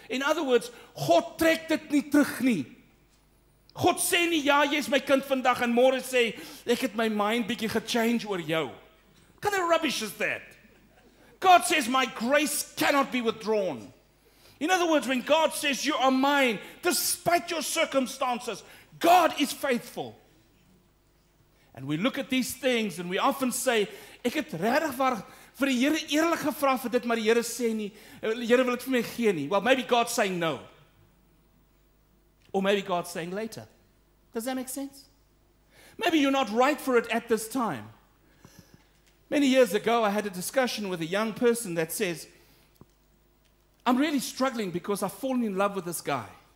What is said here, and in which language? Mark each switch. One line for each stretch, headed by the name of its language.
Afrikaans: In other words, God trek dit nie terug nie. God sê nie, ja, jy is my kind vandag, en môre sê, ek het my mind bietjie gechange oor jou.
English: What kind of rubbish is that? God says, my grace cannot be withdrawn. In other words, when God says you are mine, despite your circumstances, God is faithful. And we look at these things and we often say,
Afrikaans: ek het regtig waar vir die Here eerlik gevra vir dit, maar die Here sê nie, die Here wil dit vir my gee nie.
English: Well, maybe God's saying no. Or maybe God's saying later. Does that make sense? Maybe you're not right for it at this time. Many years ago, I had a discussion with a young person that says, I'm really struggling because I've fallen in love with this guy.